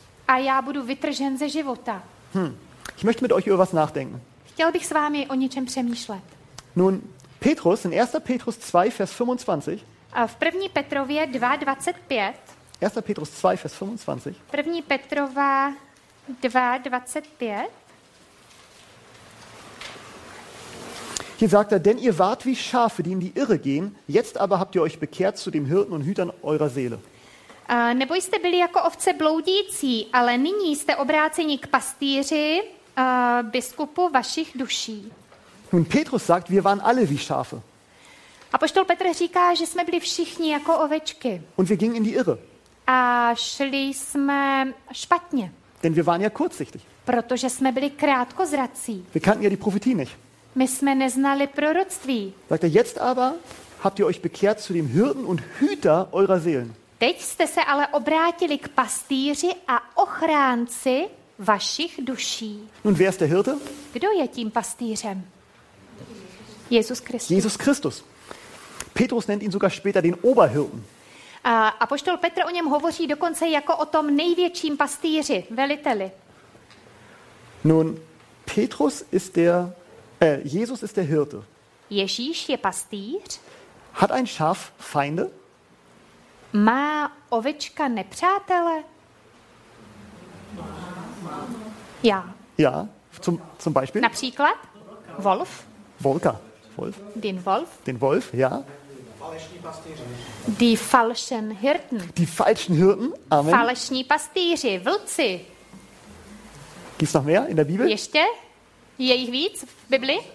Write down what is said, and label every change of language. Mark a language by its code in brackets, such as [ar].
[cs] A já budu vytržen ze života. [de] Ich möchte mit euch über was nachdenken. [cs] Chtěl bych s vámi o něčem přemýšlet. [de] Nun, Petrus, in 1. Petrus 2, Vers 25. [cs] A v 1. Petrově 2, 25. [de] 1. Petrus 2, Vers 25. [cs] 1. Petrova 2, 25. [de] Hier sagt er, denn ihr wart wie Schafe, die in die Irre gehen, jetzt aber habt ihr euch bekehrt zu dem Hirten und Hütern eurer Seele. [cs] Nebo jste byli jako ovce bloudící, ale nyní jste obráceni k pastýři, biskupu vašich duší. [de] Nun, Petrus sagt, wir waren alle wie Schafe. [cs] Apoštol Petr říká, že jsme byli všichni jako ovečky. [de] Und wir gingen in die Irre. [cs] A šli jsme špatně. [de] Denn wir waren ja kurzsichtig. [cs] Protože jsme byli krátkozrací. [de] Wir kannten ja die Prophetie nicht. [cs] My jsme neznali proroctví. [de] Sagt er, jetzt aber habt ihr euch bekehrt zu dem Hirten und Hüter eurer Seelen. [cs] Teď jste se ale obrátili k pastýři a ochránci vašich duší. [de] Nun, wer ist der Hirte? [cs] Kdo je tím pastýřem? Jesus Christus. [de] Jesus Christus. Petrus nennt ihn sogar später den Oberhirten. [cs] Apoštol Petr o něm hovoří dokonce jako o tom největším pastýři, veliteli. [de] Nun, Petrus ist der Jesus ist der Hirte. [cs] Ježíš je pastýř. [de] Hat ein Schaf Feinde? [cs] Má ovečka nepřátele? [de] Já. Ja, zum Beispiel? [cs] Například? Wolf? Volka. [de] Wolf. Den Wolf? Den Wolf, ja. Die falschen Hirten. Die falschen Hirten, amen. [cs] Falešní pastýři, vlci. [de] Gibt's noch mehr in der Bibel? [cs] Ještě? Je jich víc v Bibli?